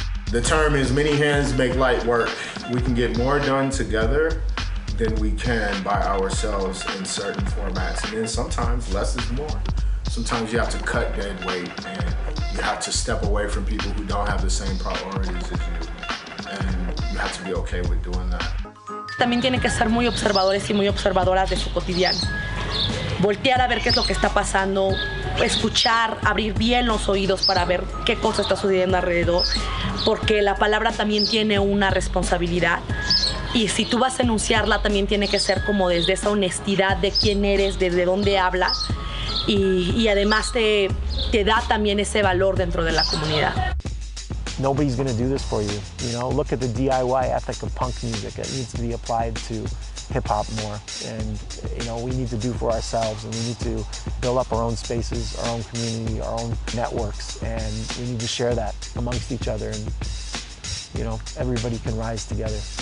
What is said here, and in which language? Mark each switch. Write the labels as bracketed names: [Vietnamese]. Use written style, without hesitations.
[English] The term is many hands make light work. We can get more done together than we can by ourselves in certain formats. And then sometimes less is more. sometimes you have to cut dead weight and you have to step away from people who don't have the same priorities as you. And you have to be okay with doing that. [Spanish] También tiene que ser muy observadores y muy observadoras de su cotidiano. Voltear a ver qué es lo que está pasando, escuchar, abrir bien los oídos para ver qué cosa está sucediendo alrededor, porque la palabra también tiene una responsabilidad. Y si tú vas a enunciarla, también tiene que ser como desde esa honestidad de quién eres, desde dónde hablas, y además te da también ese valor dentro de la comunidad. [English] Nobody's gonna do this for you. You know, look at the DIY ethic of punk music. It needs to be applied to hip hop more. And, you know, we need to do for ourselves and we need to build up our own spaces, our own community, our own networks. And we need to share that amongst each other. And, you know, everybody can rise together.